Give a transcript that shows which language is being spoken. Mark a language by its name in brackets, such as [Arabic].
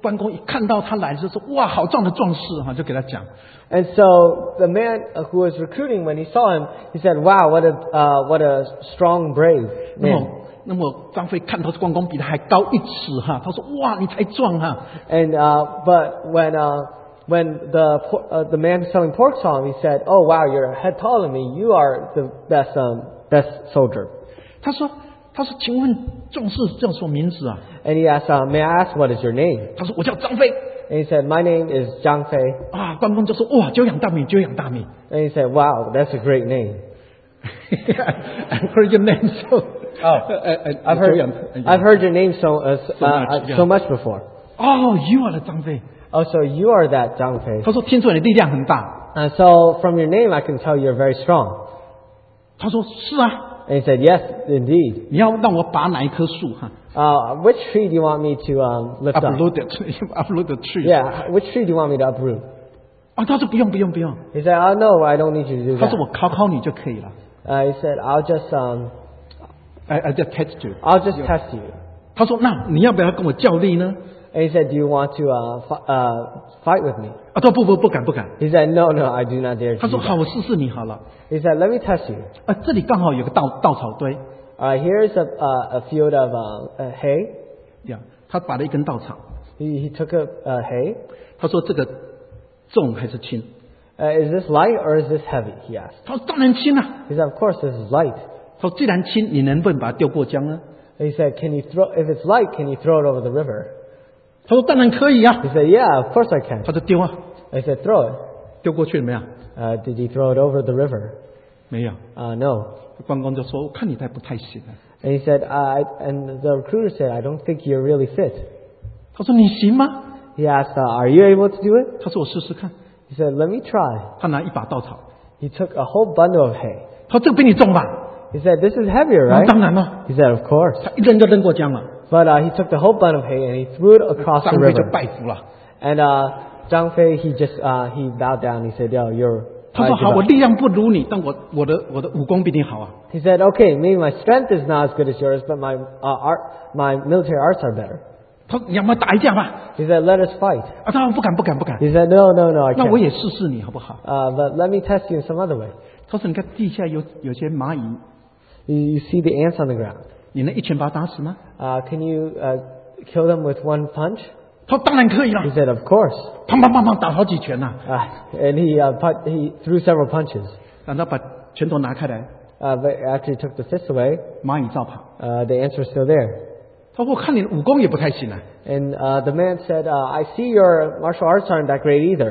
[Chinese] 他就走过去的时候，这个关公一看到他来的时候，哇，好壮的壮士哈，就给他讲。 [English] And so the man who was recruiting, when he saw him, he said, "Wow, what a strong brave man." [Chinese] 那么张飞看到关公比他还高一尺哈，他说：“哇，你才壮哈！” [English] And but when the man selling pork saw him, he said, "Oh wow, you're a head taller than me. You are the best soldier." [Chinese] 他说：“请问壮士叫什么名字啊？” [English] And he asked, "May I ask what is your name?" [Chinese] 他说：“我叫张飞。” [English] And he said, "My name is Zhang Fei." [Chinese] 啊，关公就说：“哇，久仰大名，久仰大名。” [English] And he said, "Wow, that's a great name." I heard your name so. I've heard your name so much before. Oh, you are the Zhang Fei. Oh, so you are that Zhang Fei. [Chinese] 他说听说你力量很大。 [English] So from your name, I can tell you're very strong. [Chinese] 他说是啊。 [English] And he said yes, indeed. [Chinese] 你要让我拔哪一棵树哈？ [English] Which tree do you want me to lift up? Uproot the tree. Yeah, which tree do you want me to uproot? [Chinese] 啊，他说不用。 [English] He said, "Oh no, I don't need you to do that." [Chinese] 他说我考考你就可以了。 [English] He said, "I'll just I'll just test you. [Chinese] 他说那你要不要跟我较力呢？ [English] And he said, "Do you want to fight with me?" [Chinese] 啊，他说不敢。 [English] He said, no, I do not dare to. [Chinese] 他说好，我试试你好了。 [English] He said, "Let me test you." [Chinese] 啊，这里刚好有个稻草堆。 [English] Here's a field of hay. [Chinese] Yeah, 他拔了一根稻草。 [English] He took a hay. [Chinese] 他说这个重还是轻？ [English] Is this light or is this heavy? He asked. [Chinese] 他说当然轻啊。 [English] He said, "Of course, this is light." [Chinese] 说既然轻，你能不能把它丢过江呢？ [English] He said, "If it's light, can you throw it over the river?" [Chinese] 他说当然可以啊。 [English] He said, "Yeah, of course I can." [Chinese] 他说丢啊。 [English] He said, "Throw it." [Chinese] 丢过去了没有？ [English] Did he throw it over the river? [Chinese] 没有。 [English] No. [Chinese] 关公就说，我看你太不太行了。 [English] And he said, and the recruiter said, "I don't think you're really fit." [Chinese] 他说你行吗？ [English] He asked, "Are you able to do it?" [Chinese] 他说我试试看。 [English] He said, "Let me try." [Chinese] 他拿一把稻草。 [English] He took a whole bundle of hay. [Chinese] 他说这个比你重吧？ [English] He said, "This is heavier, right?" [Chinese] 当然了。 [English] He said, "Of course." [Chinese] 他一扔就扔过江了。 [English] But he took the whole bundle of hay and he threw it across the river. [Chinese] 张飞就拜服了。 [English] And Zhang Fei, he bowed down. He said, "Yo, you're..." [Chinese] 他说好，我力量不如你，但我的武功比你好啊。 [English] He said, "Okay, maybe my strength is not as good as yours, but my military arts are better." [Chinese] 他说你要不要打一架吧？ [English] He said, "Let us fight." [Chinese] 啊，他说不敢。 [English] He said, no, I can't. [Chinese] 那我也试试你好不好？ [English] But let me test you in some other way. [Chinese] 他说你看地下有些蚂蚁。 [English] You see the ants on the ground. [Chinese] 你能一拳把他打死吗？ [English] Can you kill them with one punch? [Chinese] 他说当然可以了。 [English] He said, "Of course." [Chinese] 砰砰砰砰打好几拳啊。 [English] And he threw several punches. [Chinese] 然后把拳头拿开来。 [English] But after he took the fist away, [Chinese] 蚂蚁照跑。 [English] The ants were still there. [Chinese] 他说我看你武功也不太行啊。 [English] And the man said, "I see your martial arts aren't that great either."